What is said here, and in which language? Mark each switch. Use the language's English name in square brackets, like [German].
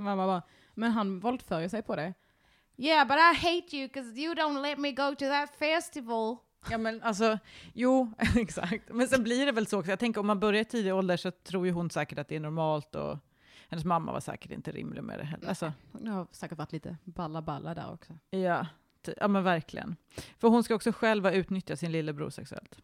[Swedish] mamma bara, men han våldför ju sig på det. [English] Yeah, but I hate you because you don't let me go to that festival. [Swedish] Ja, men alltså, jo, exakt. Men sen blir det väl så också. Jag tänker, om man börjar i tidig ålder så tror ju hon säkert att det är normalt. Och hennes mamma var säkert inte rimlig med det heller. Alltså. Hon har säkert varit lite balla där också. Ja, men verkligen. För hon ska också själva utnyttja sin lillebror sexuellt.